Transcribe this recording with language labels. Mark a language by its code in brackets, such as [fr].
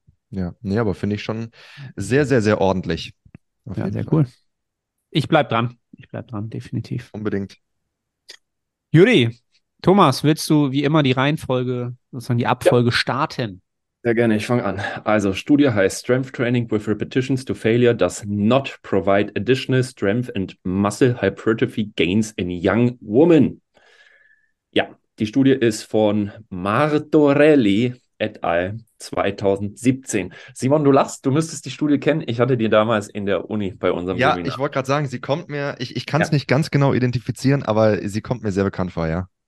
[de] Ja, nee, aber finde ich schon sehr, sehr, sehr ordentlich. Auf ja, jeden sehr Fall. Cool. Ich bleib dran, definitiv. Unbedingt. Juri, Thomas, willst du wie immer die Reihenfolge, sozusagen die Abfolge starten? Sehr gerne, ich fange an. Also, Studie heißt [en] Strength Training with Repetitions to Failure does not provide additional strength and muscle hypertrophy gains in young women. [de] Ja, die Studie ist von Martorelli et al. 2017. Simon, du lachst, du müsstest die Studie kennen. Ich hatte die damals in der Uni bei unserem Seminar. Ja, ich wollte gerade sagen, sie kommt mir, ich kann es nicht ganz genau identifizieren, aber sie kommt mir sehr bekannt vor, ja.